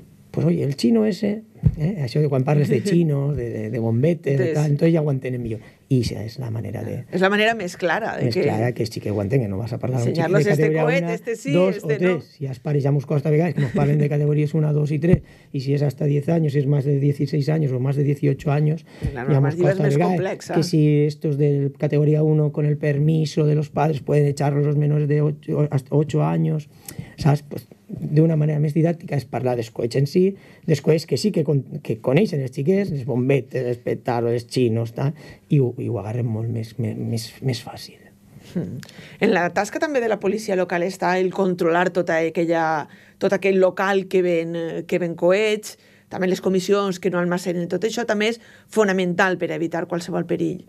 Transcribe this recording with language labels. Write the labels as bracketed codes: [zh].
[es] Pues oye, el chino ese, [ca] això que quan parles de chinos, de bombetes, entonces, tal, entonces ya ho entenen millor. I això és la manera de... És la manera més clara. Més que... clara que els xiquets ho entenguen, no vas a parlar de categoria 1, este sí, 2 este o 3. No. Si els pares ja mos costa a vegades que mos parlen de categories 1, 2 i 3, i si és hasta 10 anys, si és més de 16 anys o més de 18 anys, ja mos costa a vegades complexa. [es] Que si estos de categoria 1 con el permiso de los padres pueden echarlos los menores de 8 años, saps? [ca] Pues d'una manera més didàctica és parlar dels coets en si, dels coets que sí que coneixen els xiquets, els bombetes, els petards, els xinos, tal, i ho agarren molt més fàcil. En la tasca també de la policia local està el controlar tot aquell local que ven coets, també les comissions que no almacenen, tot això també és fonamental per evitar qualsevol perill.